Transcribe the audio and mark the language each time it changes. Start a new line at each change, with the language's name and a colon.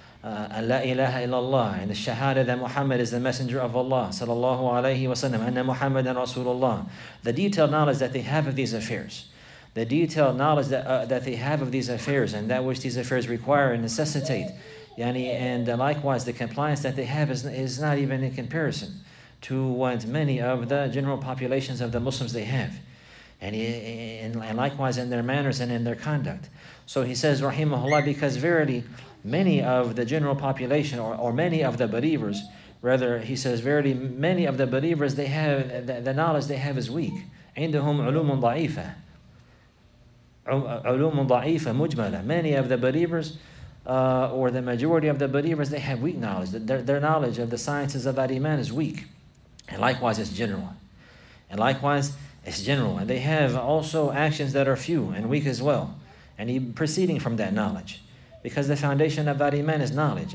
English: la ilaha illallah, and the shahada that Muhammad is the messenger of Allah sallallahu alayhi wa sallam, anna Muhammadan Rasulullah, the detailed knowledge that they have of these affairs, the detailed knowledge that they have of these affairs and that which these affairs require and necessitate, yani, and likewise the compliance that they have is not even in comparison to what many of the general populations of the Muslims they have, and likewise in their manners and in their conduct. So he says, rahimahullah, because verily many of the general population or many of the believers, rather, he says, verily many of the believers, they have the knowledge they have is weak.
Arabic: عندهم علومٌ ضعيفة علومٌ ضعيفة مجملة.
English: Many of the believers, or the majority of the believers, they have weak knowledge. Their knowledge of the sciences of that iman is weak. And likewise, it's general. And likewise, it's general. And they have also actions that are few and weak as well. And he proceeding from that knowledge. Because the foundation of that iman is knowledge.